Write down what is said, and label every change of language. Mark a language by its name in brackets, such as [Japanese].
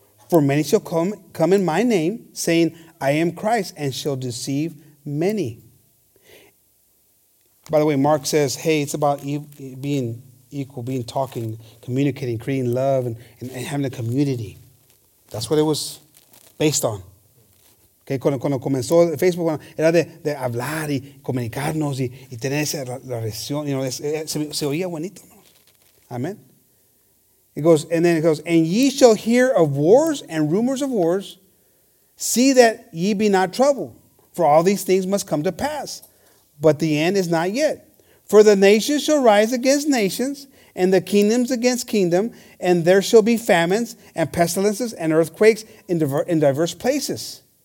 [English] For many shall come in my name, saying, I am Christ, and shall deceive many. By the way, Mark says, hey, it's about being equal, being talking, communicating, creating love, and having a community. That's what it was based on. [Spanish] Okay, cuando comenzó Facebook, bueno, era de hablar y comunicarnos y tener esa relación. [English] You know, [Spanish] se oía bonito. Amen. [English] It goes, and ye shall hear of wars and rumors of wars. See that ye be not troubled, for all these things must come to pass. But the end is not yet. For the nations shall rise against nations, and the kingdoms against kingdom, and there shall be famines and pestilences and earthquakes in diverse places.